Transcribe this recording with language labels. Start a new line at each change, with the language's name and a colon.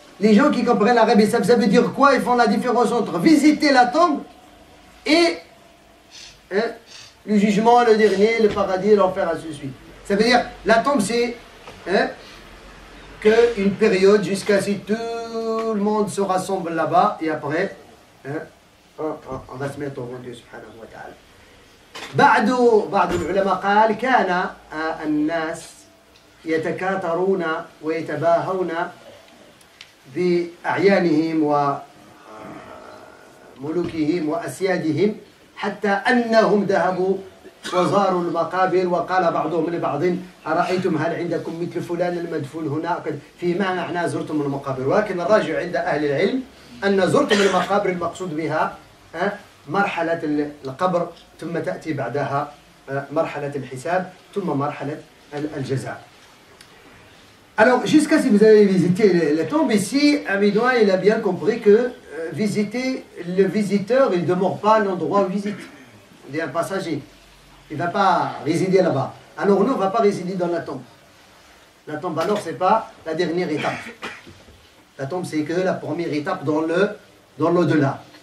French: Les gens qui comprennent l'arabe, ça veut dire quoi? Ils font la différence entre visiter la tombe et le jugement, le dernier, le paradis, l'enfer, à ce suite. Ça veut dire, la tombe, c'est qu'une période jusqu'à ce que tout le monde se rassemble là-bas et après, on va se mettre au monde, subhanahu wa ta'ala.
Arabic: Ba'du, ba'du l'ulama qal, kana annas yatakataruna wa yatabahawna بأعيانهم وملوكهم وأسيادهم حتى أنهم ذهبوا وزاروا المقابر وقال بعضهم لبعض أرأيتم هل عندكم مثل فلان المدفون هنا في ما معنى زرتم المقابر ولكن الراجع عند أهل العلم أن زرتم المقابر المقصود بها مرحلة القبر ثم تأتي بعدها مرحلة الحساب ثم مرحلة الجزاء.
French: Alors, jusqu'à si vous avez visité la tombe, ici, Amidouin, il a bien compris que visiter le visiteur, il ne demeure pas à l'endroit où il visite. Il est un passager. Il ne va pas résider là-bas. Alors, nous, on ne va pas résider dans la tombe. La tombe, alors, ce n'est pas la dernière étape. La tombe, c'est que la première étape dans l'au-delà.